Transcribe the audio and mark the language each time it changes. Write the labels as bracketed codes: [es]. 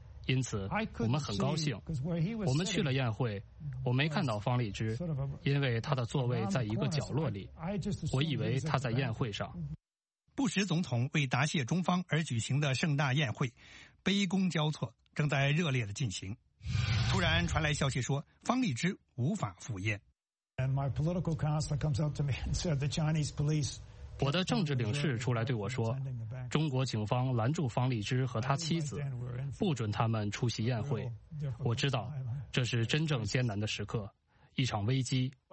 [zh] 因此，我们很高兴。我们去了宴会，我没看到方立之，因为他的座位在一个角落里。我以为他在宴会上。布什总统为答谢中方而举行的盛大宴会，杯弓交错，正在热烈的进行。突然传来消息说，方立之无法赴宴。 [en] And my political counselor comes up to me and said the Chinese police. [zh] 我的政治领事出来对我说，中国警方拦住方立之和他妻子，不准他们出席宴会。我知道这是真正艰难的时刻，一场危机。